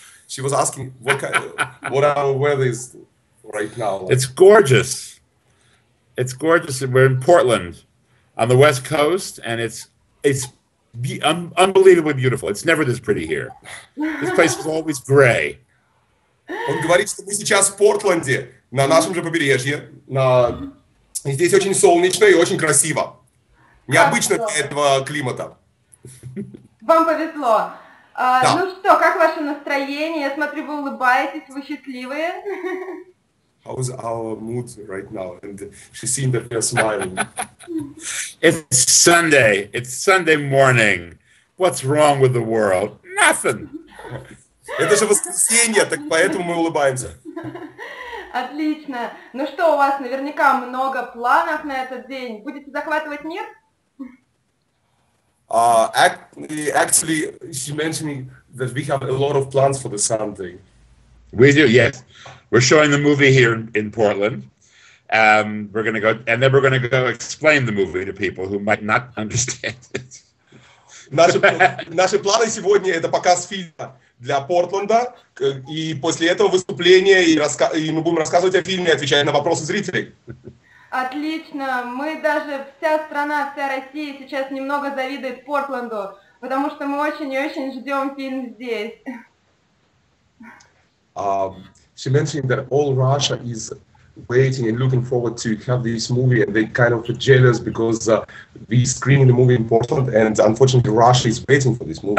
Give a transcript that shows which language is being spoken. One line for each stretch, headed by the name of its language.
English: She was asking what our weather is right now. It's gorgeous. It's gorgeous. We're in Portland on the West Coast, and it's unbelievably beautiful. It's never this pretty here. This place is always gray.
Russian: Он говорит, что мы сейчас в Портленде, на нашем же побережье, на... И здесь очень солнечно и очень красиво. Необычно для этого климата. Вам повезло. Да. Ну что, как ваше настроение? Я смотрю, вы улыбаетесь, вы счастливые.
English: How is our mood right now? And she seemed that you're smiling. It's Sunday. It's Sunday morning. What's wrong with the world? Nothing.
Russian: Это же воскресенье, так поэтому мы улыбаемся. Отлично. Ну что, у вас наверняка много планов на этот день. Будете захватывать мир?
English: Actually, she mentioned that we have a lot of plans for the Sunday. We do, yes. We're showing the movie here in Portland. We're gonna go, and then we're gonna go explain the movie to people who might not understand it.
Russian: Наши планы сегодня — это показ фильма для Портленда, и после этого выступления и мы будем рассказывать о фильме и отвечать на вопросы зрителей. Отлично. Мы даже, вся страна, вся Россия сейчас немного завидует Портленду, потому что мы очень и очень ждем фильм здесь.
English: She mentioned that all Russia is waiting and looking forward to have this movie, and they kind of jealous because we screening the movie in Portland, and unfortunately Russia is waiting for this movie.